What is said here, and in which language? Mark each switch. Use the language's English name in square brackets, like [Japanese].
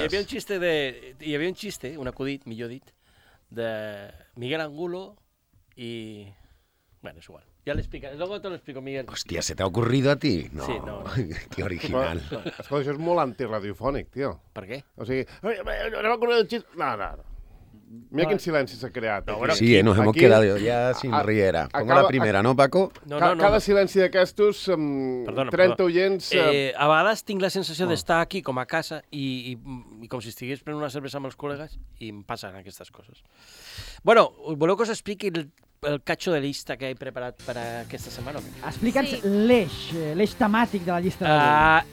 [Catalan] Hi havia un xiste, un acudit, millor dit, de Miguel Angulo i... Bueno, és igual. Ja l'explica. [Spanish] Luego te lo explico, [Catalan] Miguel. Hòstia, se t'ha ocurrit a ti? No. Sí, no. Que original. Escolta, això és molt antiradiofònic, tio. Per què? O sigui, no m'ha ocorrit el xiste... No. Mira quin silenci s'ha creat. [Spanish] Sí, nos hemos quedado ya sin riera. Pongo la primera, ¿no, Paco? [Catalan] Cada silenci d'aquestos, 30 oients... A vegades tinc la sensació d'estar aquí, com a casa, i com si estigués prenent una cervesa amb els col·legues, i em passen aquestes coses. Bueno, voleu que us expliqui el catxo de llista que he preparat per aquesta setmana? Explica'ns l'eix temàtic de la llista.